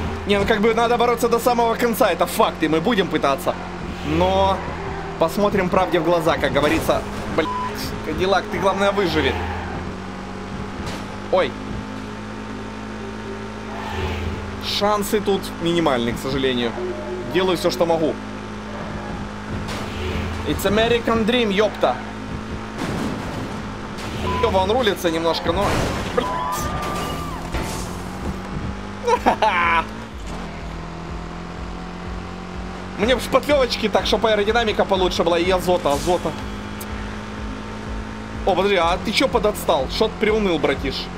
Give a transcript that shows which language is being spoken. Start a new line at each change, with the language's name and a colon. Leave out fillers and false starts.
Russian: Не, ну как бы надо бороться до самого конца, это факт, и мы будем пытаться. Но посмотрим правде в глаза, как говорится. Блять, Кадиллак, ты главное выживи. Ой. Шансы тут минимальные, к сожалению. Делаю все, что могу.
English: It's American Dream,
Russian: ёпта. Ёба, он рулится немножко, но... Мне бы шпатлёвочки так, чтобы аэродинамика получше была. И азота. О, подожди, а ты чё подотстал? Что ты приуныл, братиш?